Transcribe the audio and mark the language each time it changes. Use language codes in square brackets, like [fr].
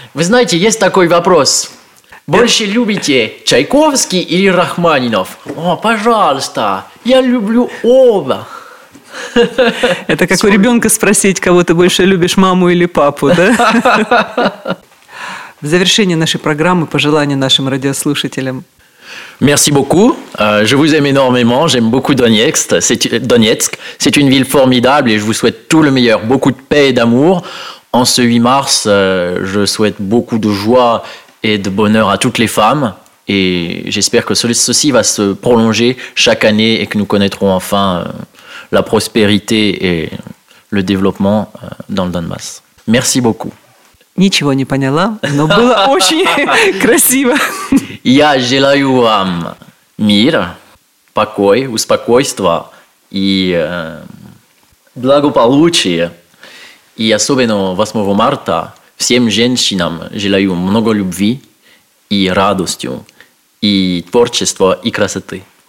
[ru] Вы знаете, есть такой вопрос. Больше любите Чайковский или Рахманинов? О, пожалуйста, я люблю оба. Это как у ребенка спросить, кого ты больше любишь, маму или папу, да? В завершение нашей программы пожелания нашим радиослушателям. [fr] Merci beaucoup. Je vous aime énormément. J'aime beaucoup Donetsk. C'est une ville formidable et je vous souhaite tout le meilleur. Beaucoup de paix et d'amour. En ce 8 mars, je souhaite beaucoup de joie et de bonheur à toutes les femmes. Et j'espère que ceci va se prolonger chaque année et que nous connaîtrons enfin la prospérité et le développement dans le Donbass. Merci beaucoup. [ru] Ничего не поняла, но было очень красиво. Я желаю вам мира, покой, успокойства и благополучия. И особенно 8 марта всем женщинам желаю много любви и радости, и творчества, и красоты.